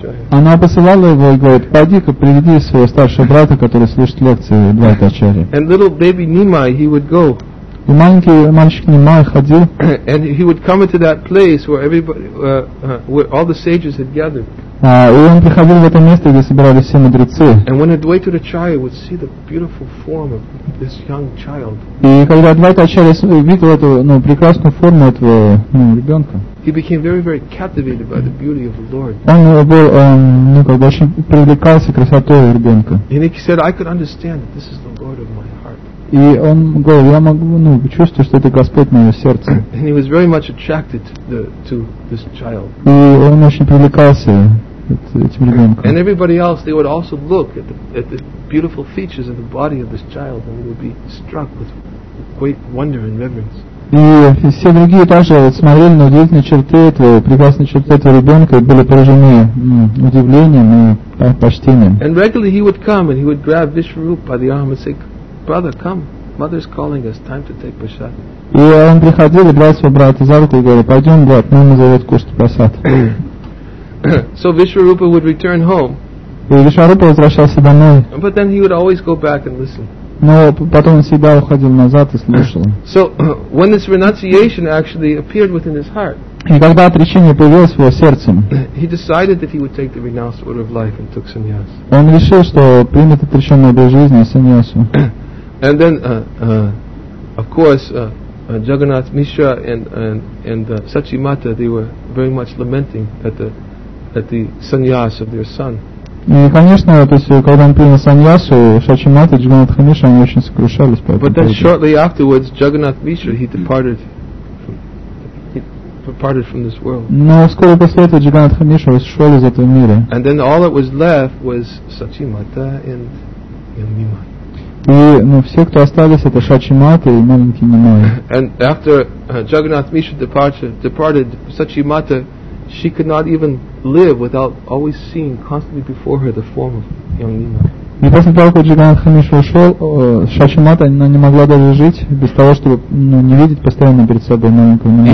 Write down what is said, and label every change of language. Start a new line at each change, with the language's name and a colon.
Russian: Она посылала его и говорит, пойди-ка, приведи своего старшего брата, который слышит лекции Двайта Ачарья. И маленький мальчик Нимай ходил.
English: And he would come into that place where everybody, where all the sages had gathered.
Russian: И он приходил в это место, где собирались все мудрецы.
English: And when Advaita Acharya would see the beautiful form of this young child.
Russian: И когда Advaita Acharya видел эту, ну, прекрасную форму этого, ну, ребенка.
English: He became very, very captivated by the beauty of the Lord.
Russian: Он был, ну, как бы очень привлекался красотой ребенка.
English: And he said, I could understand that this is the Lord of my heart.
Russian: И он говорил, я могу, ну, чувствую, что это Господь мое сердце.
English: And he was very much attracted to this child.
Russian: И он очень привлекался этим ребенком.
English: And everybody else, they would also look at the beautiful features of the body of this child, and they would be struck with great wonder and reverence.
Russian: И все другие также смотрели на удивительные черты этого, прекрасные черты этого ребенка, и были поражены удивлением и почтением.
English: And regularly he would come and he would grab Vishwarupa by the arm and say, Brother, come. Mother's calling us. Time to take prasad.
Russian: И он приходил и брал своего брата за руку и говорил, пойдем, брат, мама зовет кушать прасад.
English: So Vishwarupa would return home.
Russian: И Вишварупа возвращался домой.
English: But then he would always go back and listen.
Russian: Но потом он всегда уходил назад и слушал.
English: So when this renunciation actually appeared within his heart.
Russian: И когда отречение появилось в его сердце.
English: He decided that he would take the renounced order of life and took sannyas.
Russian: Он решил, что примет отреченный образ жизни и саньясу.
English: And then, of course, Jagannath Mishra and Sachimata, they were very much lamenting at the sannyas of their son.
Russian: И, конечно, то есть, когда он принял саньясу, Сачимата, Джагнатха Мишра, они очень сокрушались по этому поводу.
English: But then, shortly afterwards, Jagannath Mishra, he departed from this world.
Russian: Но вскоре после этого Джагнатха Мишра ушел из этого мира.
English: And then all that was left was Сачимата and Нимай.
Russian: И, ну, все, кто остались, это Сачимата и маленький Нимай.
English: And after Jagannath Mishra departed, Сачимата, she could not even live without always seeing constantly before her the form of young Nimai.
Russian: И после того, как Джагнатха Мишра ушел, Сачимата не могла даже жить без того, чтобы, ну, не видеть постоянно перед собой маленького Нимая.